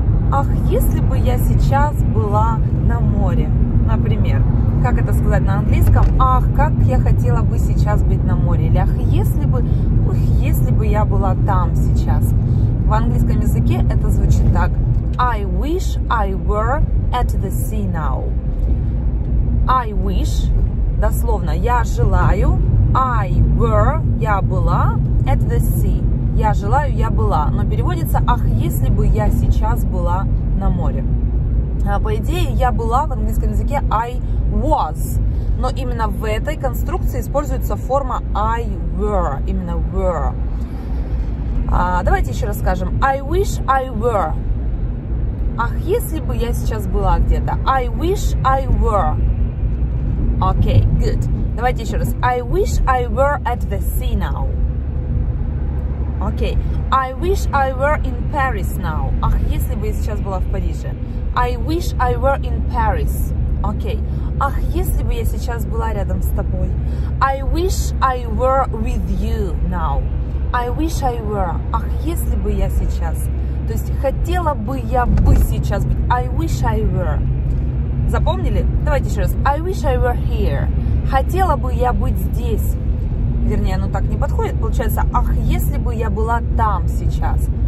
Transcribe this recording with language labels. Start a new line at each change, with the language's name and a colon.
Russian: Ах, если бы я сейчас была на море, например. Как это сказать на английском? Ах, как я хотела бы сейчас быть на море. Или ах, если бы я была там сейчас. В английском языке это звучит так.
English: I wish I were at the sea now. I wish,
Russian: дословно, я желаю.
English: I were,
Russian: я была,
English: at the sea.
Russian: Я желаю, я была. Но переводится, ах, если бы я сейчас была на море. По идее, я была в английском языке
English: I was,
Russian: но именно в этой конструкции используется форма I were, именно were. Давайте еще расскажем.
English: I wish I were.
Russian: Ах, если бы я сейчас была где-то.
English: I wish I were. Okay, good.
Russian: Давайте еще раз.
English: I wish I were at the sea now. Окей. Okay. I wish I were in Paris now.
Russian: Ах, если бы я сейчас была в Париже.
English: I wish I were in Paris. Окей. Okay.
Russian: Ах, если бы я сейчас была рядом с тобой.
English: I wish I were with you now. I wish I were.
Russian: Ах, если бы я сейчас. То есть хотела бы я бы сейчас быть.
English: I wish I were.
Russian: Запомнили? Давайте еще раз.
English: I wish I were here.
Russian: Хотела бы я быть здесь. Вернее, оно так не подходит. Получается, ах, если бы я была там сейчас.